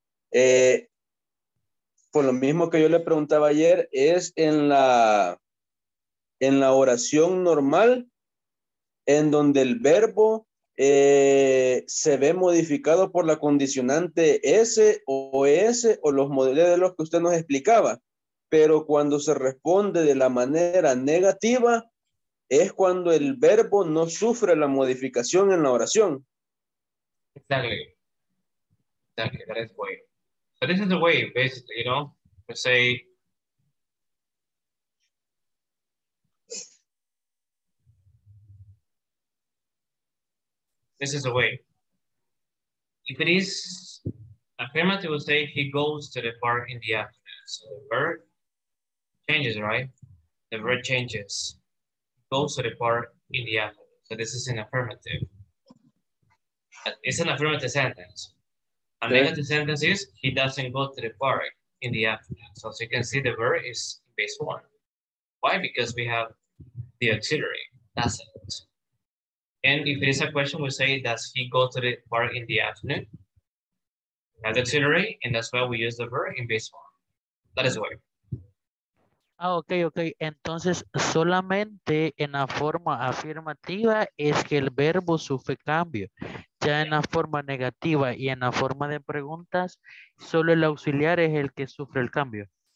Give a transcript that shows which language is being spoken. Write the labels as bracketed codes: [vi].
[es] Pues lo mismo que yo le preguntaba ayer es en la oración normal en donde el verbo se ve modificado por la condicionante S o S o los modelos de los que usted nos explicaba, pero cuando se responde de la manera negativa es cuando el verbo no sufre la modificación en la oración. [en] Exactly. So this is the way, basically, you know, we say, this is the way. If it is affirmative, we say he goes to the park in the afternoon. So the verb changes, right? The verb changes. He goes to the park in the afternoon. So this is an affirmative. It's an affirmative sentence. A negative sentence is, he doesn't go to the park in the afternoon. So as you can see, the verb is in base form. Why? Because we have the auxiliary, doesn't. And if it is a question, we say, does he go to the park in the afternoon? That's auxiliary, and that's why we use the verb in base form. That is the way. Ah, ok. [es] Entonces, solamente en la forma afirmativa es que el verbo sufre cambio. Ya en la forma negativa y en la forma de preguntas, solo el auxiliar es el que sufre el cambio.